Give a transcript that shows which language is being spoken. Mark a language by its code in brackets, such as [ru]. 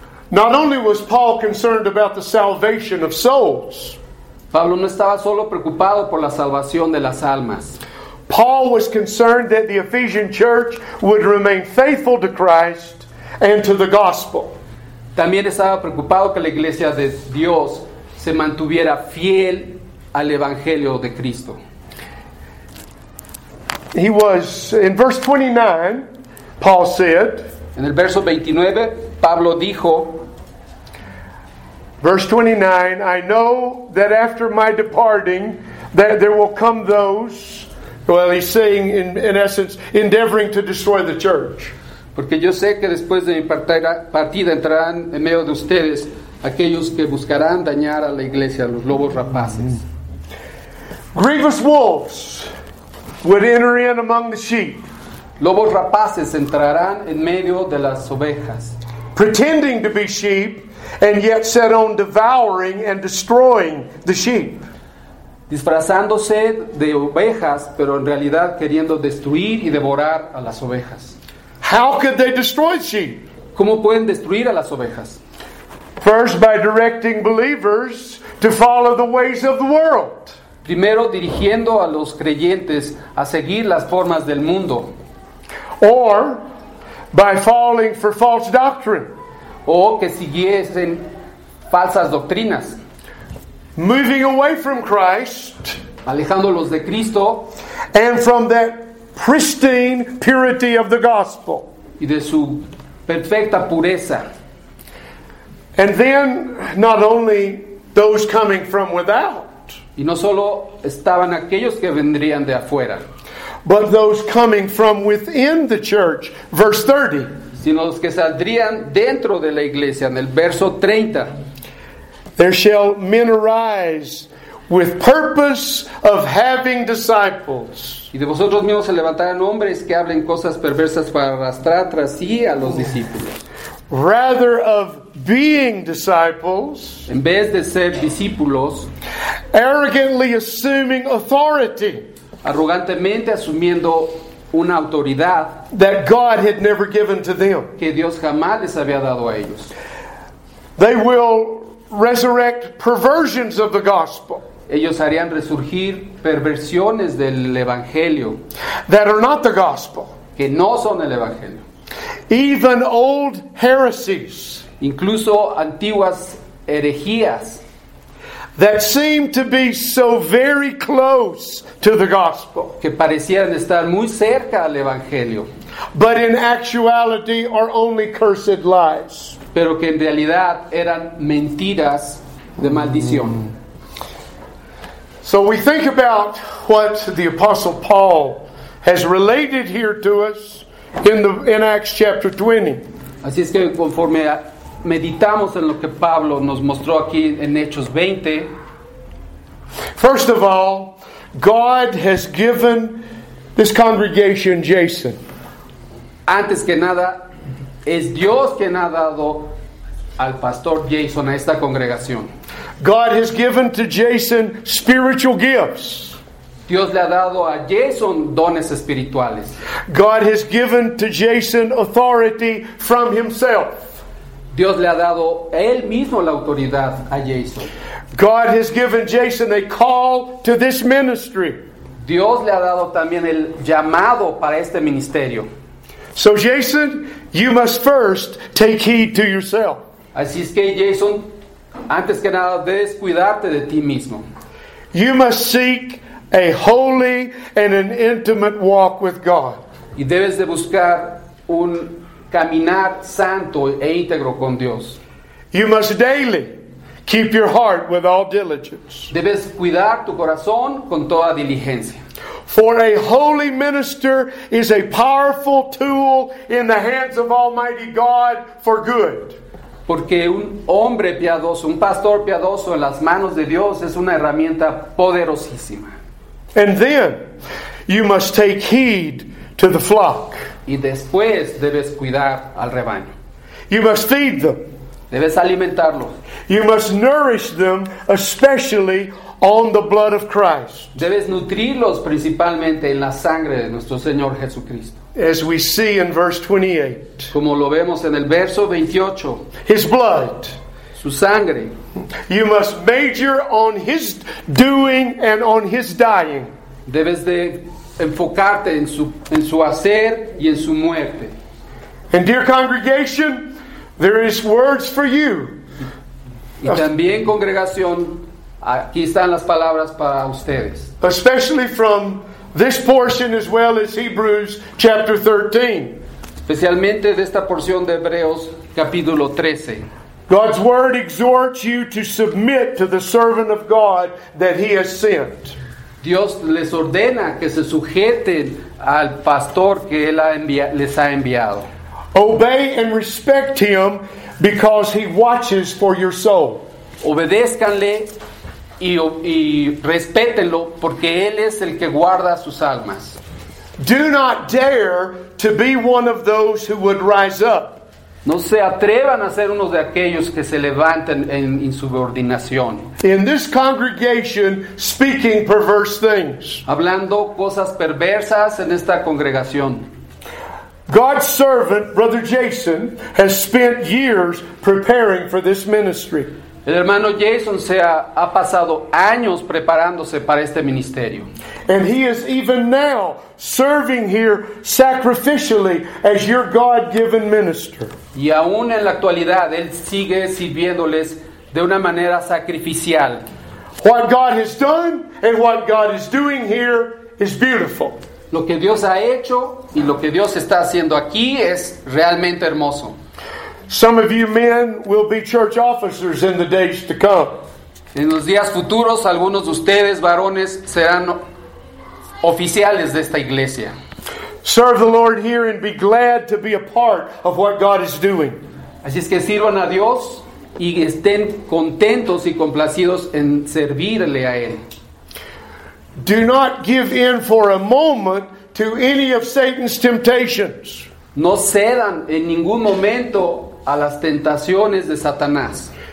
[en] Not only was Paul concerned about the salvation of souls. [es] Pablo no estaba solo preocupado por la salvación de las almas. [en] Paul was concerned that the Ephesian church would remain faithful to Christ and to the gospel. [es] También estaba preocupado que la iglesia de Dios se mantuviera fiel al evangelio de Cristo. [en] He was in verse 29, Paul said, [es] en el verso 29 Pablo dijo, [en] verse 29, I know that after my departing that there will come those, well, he's saying in essence endeavoring to destroy the church. [es] Porque yo sé que después de mi partida entrarán en medio de ustedes aquellos que buscarán dañar a la iglesia, los lobos rapaces. [en] Grievous wolves would enter in among the sheep. [es] Lobos rapaces entrarán en medio de las ovejas. [en] Pretending to be sheep and yet set on devouring and destroying the sheep. [es] Disfrazándose de ovejas, pero en realidad queriendo destruir y devorar a las ovejas. [en] How could they destroy sheep? [es] ¿Cómo pueden destruir a las ovejas? [en] First, by directing believers to follow the ways of the world. [es] Primero dirigiendo a los creyentes a seguir las formas del mundo. [en] Or by falling for false doctrine. [es] O que siguiesen falsas doctrinas. [en] Moving away from Christ. [es] alejándolos de Cristo, [en] and from that pristine purity of the gospel, [es] y de su perfecta pureza. [en] And then not only those coming from without, [es] y no solo estaban aquellos que vendrían de afuera, [en] but those coming from within the church, verse 30, [es] sino los que saldrían dentro de la iglesia, en el verso 30. [en] There shall men arise with purpose of having disciples. [es] Y de vosotros mismos se levantarán hombres que hablen cosas perversas para arrastrar tras sí a los discípulos. [en] Rather of being disciples, [es] en vez de ser discípulos, [en] arrogantly assuming authority, [es] arrogantemente asumiendo una autoridad, [en] that God had never given to them, [es] que Dios jamás les había dado a ellos. [en] They will resurrect perversions of the gospel. [es] Ellos harían resurgir perversiones del evangelio. [en] That are not the gospel. [es] Que no son el evangelio. [en] Even old heresies. [es] Incluso antiguas herejías. [en] That seem to be so very close to the gospel. [es] Que parecieran estar muy cerca al evangelio. [en] But in actuality are only cursed lies. [es] Pero que en realidad eran mentiras de maldición. [en] So we think about what the Apostle Paul has related here to us in Acts chapter 20. [es] Así es que conforme meditamos en lo que Pablo nos mostró aquí en Hechos 20. [en] First of all, God has given this congregation Jason. [es] Antes que nada, es Dios quien ha dado al pastor Jason a esta congregación. [en] God has given to Jason spiritual gifts. [es] Dios le ha dado a Jason dones espirituales. [en] God has given to Jason authority from himself. [es] Dios le ha dado él mismo la autoridad a Jason. [en] God has given Jason a call to this ministry. [es] Dios le ha dado también el llamado para este ministerio. [en] So Jason, you must first take heed to yourself. [es] Así es que Jason, antes que nada, debes cuidarte de ti mismo. [en] You must seek a holy and an intimate walk with God. [es] Y debes de buscar un caminar santo e íntegro con Dios. [en] You must daily keep your heart with all diligence. [es] Debes cuidar tu corazón con toda diligencia. [en] For a holy minister is a powerful tool in the hands of Almighty God for good. [es] Porque un hombre piadoso, un pastor piadoso en las manos de Dios es una herramienta poderosísima. [en] And then you must take heed to the flock. [es] Y después debes cuidar al rebaño. [en] You must feed them. [es] Debes alimentarlos. [en] You must nourish them, especially on the blood of Christ. [es] Debes nutrirlos principalmente en la sangre de nuestro Señor Jesucristo. [en] As we see in verse 28. [es] Como lo vemos en el verso 28. [en] His blood. [es] Su sangre. [en] You must major on his doing and on his dying. [es] Debes de enfocarte en su hacer y en su muerte. [en] And dear congregation, there is words for you. [es] Y también congregación, aquí están las palabras para ustedes. [en] Especially from this portion as well as Hebrews chapter 13. [es] Especialmente de esta porción de Hebreos capítulo 13. [en] God's word exhorts you to submit to the servant of God that he has sent. [es] Dios les ordena que se sujeten al pastor que él les ha enviado. [en] Obey and respect him because he watches for your soul. [es] Obedézcanle y respétenlo porque él es el que guarda sus almas. [en] Do not dare to be one of those who would rise up. [es] No se atrevan a ser uno de aquellos que se levanten en insubordinación. [en] In this congregation, speaking perverse things. [es] Hablando cosas perversas en esta congregación. [en] God's servant, Brother Jason, has spent years preparing for this ministry. [es] El hermano Jason se ha pasado años preparándose para este ministerio. [en] And he is even now serving here sacrificially as your God-given minister. [es] Y aún en la actualidad, él sigue sirviéndoles de una manera sacrificial. [en] What God has done and what God is doing here is beautiful. [es] Lo que Dios ha hecho y lo que Dios está haciendo aquí es realmente hermoso. [en] Some of you men will be church officers in the days to come. [es] En los días futuros, algunos de ustedes, varones, serán oficiales de esta iglesia. [en] Serve the Lord here and be glad to be a part of what God is doing. [es] Así es que sirvan a Dios y estén contentos y complacidos en servirle a Él. [en] Do not give in for a moment to any of Satan's temptations. [es] No cedan en ningún momento a las tentaciones de Satanás.